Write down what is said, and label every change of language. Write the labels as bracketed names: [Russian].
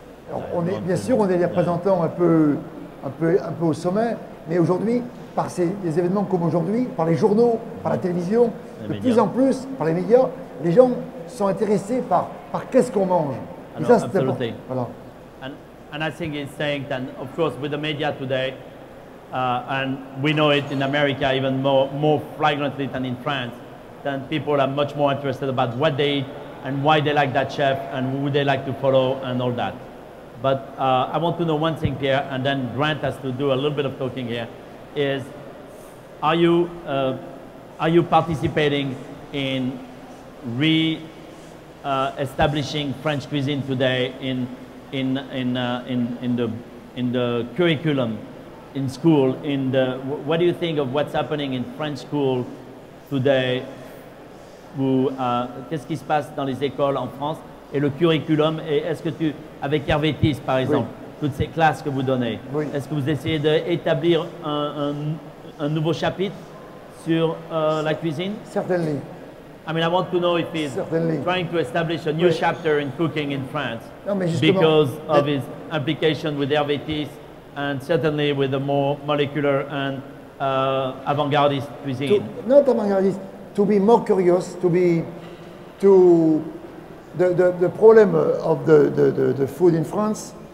[French] Alors, on est bien sûr on est les représentants un peu au sommet, mais aujourd'hui par ces événements comme aujourd'hui, par les journaux, par la télévision, de plus en plus par les médias, les gens sont intéressés par qu'est-ce qu'on mange. Et ça c'est important. Voilà. [English] And I think it's saying that, of course, with the media today, and we know it in America even more flagrantly than in France, then people are much more interested about what they eat and why they like that chef and who they like to follow and all that. But I want to know one thing, Pierre, and then Grant has to do a little bit of talking here, is are you participating in re-establishing French cuisine today in the curriculum, in school, in the what do you think of what's happening in French school today? [French] Qu'est-ce qui se passe dans les écoles en France et le curriculum? Et est-ce que tu avec Hervétis par exemple, oui. Toutes ces classes que vous donnez, oui. Est-ce que vous essayez d'établir un nouveau chapitre sur la cuisine? [English] Certainly. I mean, I want to know if he's certainly trying to establish a new chapter in cooking in France. [French] Non, mais justement, [English] because of his implication with Hervétis and certainly with the more molecular and avant-gardist cuisine. Not avant-gardist, to be more curious, to the problem of the food in France.